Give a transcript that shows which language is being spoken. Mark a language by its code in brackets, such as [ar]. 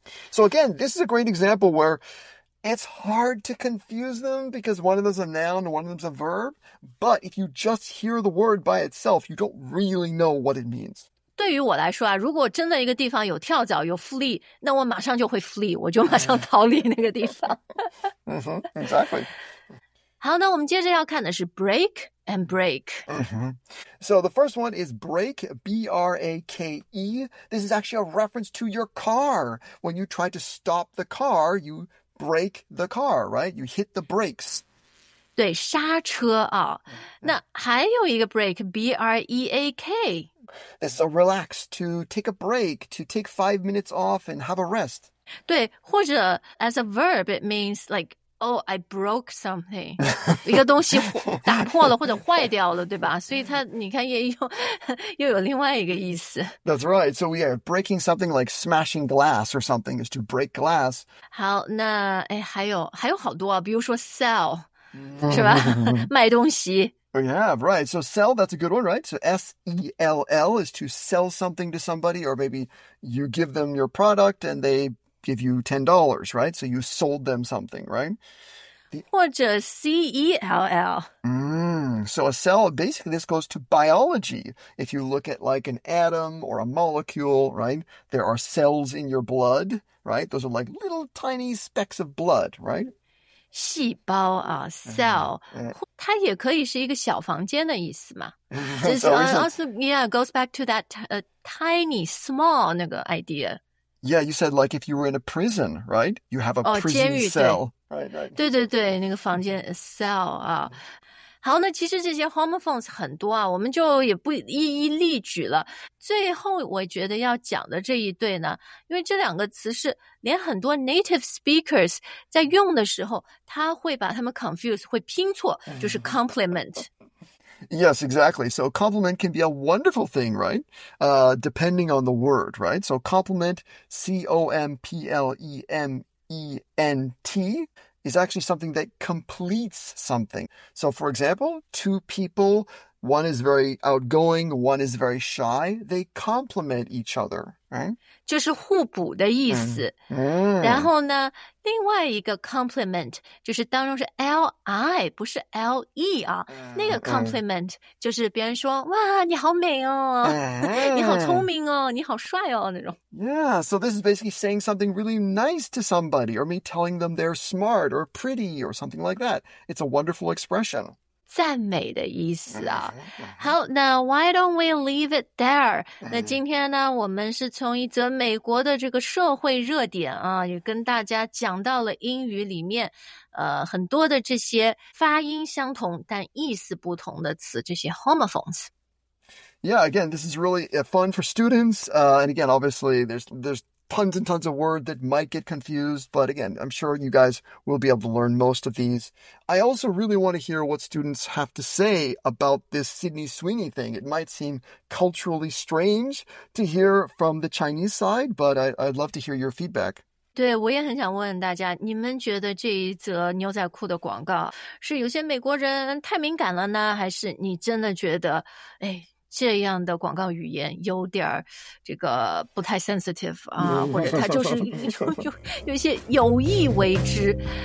[en] So again, this is a great example where it's hard to confuse them because one of them's a noun and one of them's a verb. But if you just hear the word by itself, you don't really know what it means. [zh] 对于我来说啊，如果真的一个地方有跳蚤有 flea， 那我马上就会 flea， 我就马上逃离那个地方。 [en] 嗯哼 ，exactly。 [zh] 好，那我们接着要看的是 break and break。 [en] So the first one is brake, B-R-A-K-E. This is actually a reference to your car. When you try to stop the car, you brake the car, right? You hit the brakes. [zh] 对，刹车啊。那还有一个 break, B-R-E-A-K. [en] This is a relax, to take a break, to take 5 minutes off and have a rest. [zh] 对，或者 [en] as a verb, it means like, oh, I broke something. [zh] 一个东西打破了或者坏掉了，对吧？所以它你看也有又有另外一个意思。 [en] That's right. So we are breaking something like smashing glass or something is to break glass. [zh] 好，那哎，还有好多啊，比如说 sell, 是吧？卖东西。 [en] Yeah, right. So sell, that's a good one, right? So S-E-L-L is to sell something to somebody, or maybe you give them your product and they give you $10, right? So you sold them something, right? [zh] 或者 C-E-L-L. [en] So a cell, basically this goes to biology. If you look at like an atom or a molecule, right? There are cells in your blood, right? Those are like little tiny specks of blood, right? [zh] 细胞啊 ，cell， 它也可以是一个小房间的意思嘛。 [en] Also, yeah, goes back to that tiny, small 那个 idea. Yeah, you said like if you were in a prison, right? You have a prison cell. [zh] 对对对，那个房间 cell 啊。好，那其实这些 homophones 很多啊，我们就也不一一例举了。最后我觉得要讲的这一对呢，因为这两个词是连很多 native speakers 在用的时候，他会把他们 confuse， 会拼错，就是 complement。 [en] Yes, exactly. So compliment can be a wonderful thing, right? Depending on the word, right? So compliment, C-O-M-P-L-E-M-E-N-T. Is actually something that completes something. So, for example, two people, one is very outgoing, one is very shy, they complement each other, right? [zh] 就是互补的意思。然后呢，另外一个 complement 就是当中是 L-I, 不是 L-E 啊。那个 complement 就是别人说，哇，你好美哦，你好聪明哦，你好帅哦，那种。 [en] Yeah, so this is basically saying something really nice to somebody, or me telling them they're smart or pretty or something like that. It's a wonderful expression. [zh] 赞美的意思啊。好，那 [en] why don't we leave it there? [zh] 那今天呢，我们是从一则美国的这个社会热点啊，也跟大家讲到了英语里面很多的这些发音相同但意思不同的词，这些 homophones。 [en] Yeah, again, this is really fun for students. And again, obviously, there's tons and tons of words that might get confused. But again, I'm sure you guys will be able to learn most of these. I also really want to hear what students have to say about this Sydney Sweeney thing. It might seem culturally strange to hear from the Chinese side, but I'd love to hear your feedback. [zh] 对，我也很想问大家，你们觉得这一则牛仔裤的广告是有些美国人太敏感了呢？还是你真的觉得，哎，这样的广告语言有点这个不太 sensitive 啊，或者他就是有些有意为之。